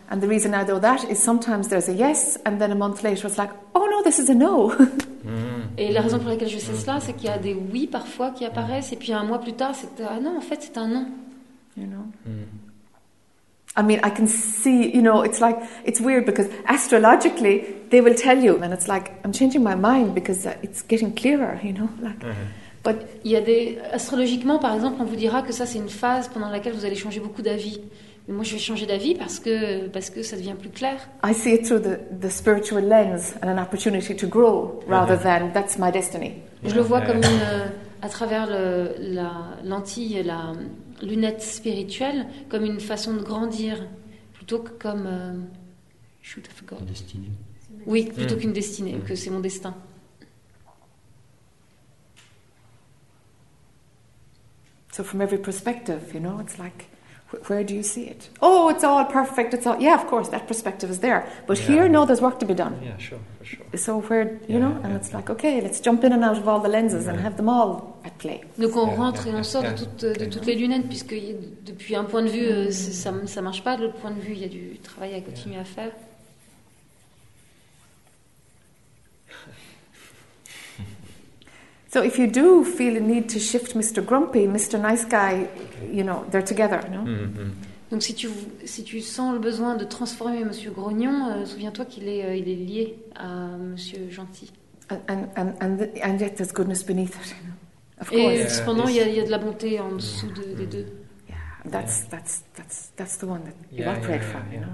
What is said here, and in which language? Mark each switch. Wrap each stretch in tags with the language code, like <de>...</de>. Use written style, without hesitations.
<en>And the reason I know that is sometimes there's a yes, and then a month later it's like, oh no, this is a no.</en> <fr>Et la raison pour laquelle je sais cela, c'est qu'il y a des oui parfois qui apparaissent, et puis un mois plus tard, c'est ah non, en fait, c'est un non.</fr> <en>You know. I mean, I can see, you know, it's like, it's weird because astrologically, they will tell you, and it's like, I'm changing my mind because it's getting clearer, you know, like...</en> <fr>But il y a des astrologiquement, par exemple, on vous dira que ça c'est une phase pendant laquelle vous allez changer beaucoup d'avis. Mais moi, je vais changer d'avis parce que ça devient plus clair.</fr> <en>I see it through the spiritual lens and an opportunity to grow rather than that's my destiny.</en> <fr>Je le vois comme une à travers la lentille, la lunette spirituelle, comme une façon de grandir plutôt que comme</fr> <en>shoot, I forgot.</en> <fr>Une destinée. Oui, plutôt qu'une destinée, que c'est mon destin.</fr> <en>So from every perspective, you know, it's like, Where do you see it? Oh, it's all perfect. It's all, yeah, of course, that perspective is there. But yeah, here, no, there's work to be done. Yeah, sure, for sure. So where, you know, and it's like, okay, let's jump in and out of all the lenses and have them all at play.</en> <fr>Donc on rentre et on sort de toutes les lunettes, puisque depuis un point de vue, ça ne marche pas. De l'autre point de vue, il y a du travail à continuer à faire.</fr> <en>So if you do feel the need to shift Mr. Grumpy, Mr. Nice Guy, you know, they're together, no? Mm-hmm.</en> <fr>Donc si tu sens le besoin de transformer Monsieur Grognon, souviens-toi qu'il est il est lié à Monsieur Gentil.</fr> <en>And yet there's goodness beneath it, you know? Of</en> <fr>course. Et cependant, il y a de la bonté en dessous des deux.</fr> <en>Yeah, that's the one that evaporate from, you know?</en>